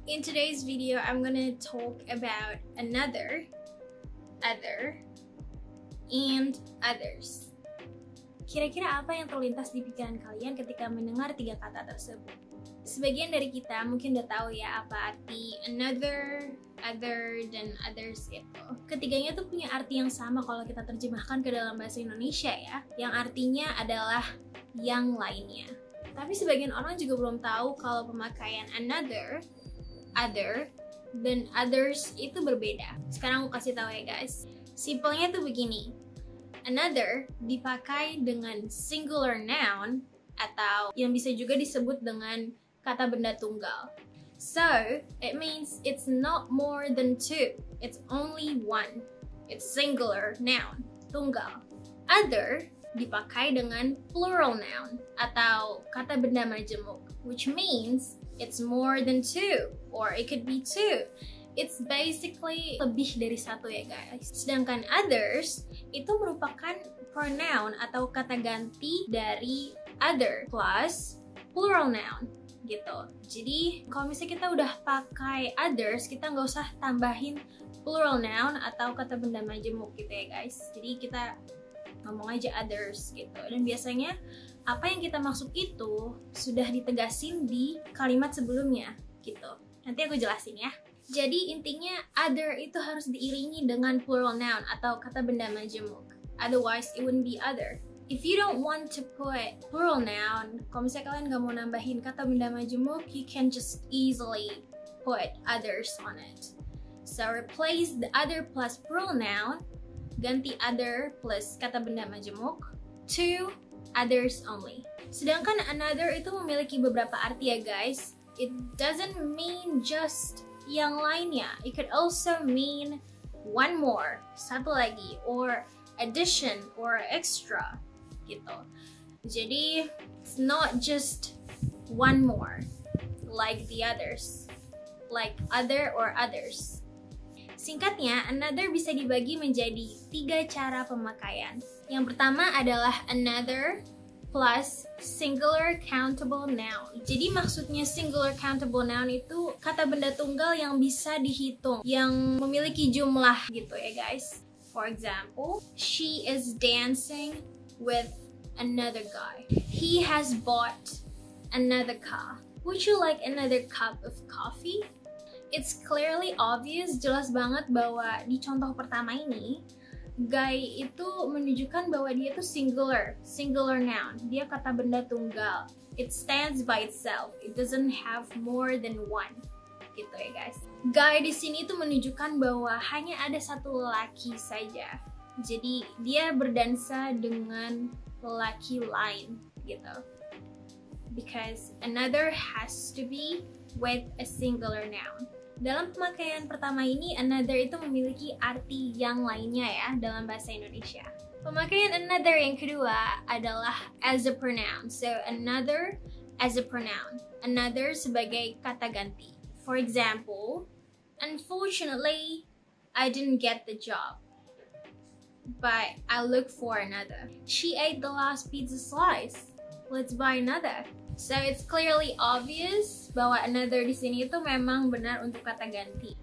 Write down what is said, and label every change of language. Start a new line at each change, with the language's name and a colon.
English: In today's video, I'm gonna talk about another, other, and others.
Indonesian: Kira-kira apa yang terlintas di pikiran kalian ketika mendengar tiga kata tersebut? Sebagian dari kita mungkin udah tahu ya apa arti another, other, dan others itu. Ketiganya tuh punya arti yang sama kalau kita terjemahkan ke dalam bahasa Indonesia ya, yang artinya adalah yang lainnya. Tapi sebagian orang juga belum tahu kalau pemakaian another, other, dan others itu berbeda. Sekarang aku kasih tahu ya guys. Simpelnya tuh begini. Another dipakai dengan singular noun atau yang bisa juga disebut dengan kata benda tunggal.
English: So, it means it's not more than two. It's only one. It's singular noun, tunggal. Other
Indonesian: dipakai dengan
English: plural noun
Indonesian: atau kata benda majemuk,
English: which means it's more than two, or it could be two. It's basically
Indonesian: lebih dari satu ya guys. Sedangkan others itu merupakan pronoun atau kata ganti dari other plus plural noun gitu. Jadi kalau misalnya kita udah pakai others, kita nggak usah tambahin plural noun atau kata benda majemuk gitu ya guys. Jadi kita ngomong aja others gitu. Dan biasanya apa yang kita maksud itu sudah ditegasin di kalimat sebelumnya gitu. Nanti aku jelasin ya. Jadi intinya other itu harus diiringi dengan plural noun atau kata benda majemuk.
English: Otherwise it wouldn't be other. If you don't want to put plural noun,
Indonesian: kalau misalnya kalian gak mau nambahin kata benda majemuk,
English: you can just easily put others on it. So replace the other plus plural noun,
Indonesian: ganti
English: other plus
Indonesian: kata benda majemuk
English: to others only.
Indonesian: Sedangkan another itu memiliki beberapa arti ya guys.
English: It doesn't mean just
Indonesian: yang lainnya.
English: It could also mean one more,
Indonesian: satu lagi,
English: or addition or extra gitu.
Indonesian: Jadi
English: it's not just one more like the others, like other or others.
Indonesian: Singkatnya, another bisa dibagi menjadi tiga cara pemakaian. Yang pertama adalah another plus singular countable noun. Jadi maksudnya singular countable noun itu kata benda tunggal yang bisa dihitung, yang memiliki jumlah gitu ya guys.
English: For example, she is dancing with another guy. He has bought another car. Would you like another cup of coffee? It's clearly obvious,
Indonesian: jelas banget bahwa di contoh pertama ini guy itu menunjukkan bahwa dia itu singular, singular noun. Dia kata benda tunggal.
English: It stands by itself. It doesn't have more than one.
Indonesian: Gitu ya guys. Guy di sini itu menunjukkan bahwa hanya ada satu lelaki saja. Jadi dia berdansa dengan lelaki lain gitu.
English: Because another has to be with a singular noun.
Indonesian: Dalam pemakaian pertama ini, another itu memiliki arti yang lainnya ya dalam bahasa Indonesia. Pemakaian another yang kedua adalah
English: as a pronoun. So another as a pronoun. Another
Indonesian: sebagai kata ganti.
English: For example, unfortunately, I didn't get the job, but I look for another. She ate the last pizza slice. Let's buy another. So it's clearly obvious
Indonesian: bahwa another di sini itu memang benar untuk kata ganti.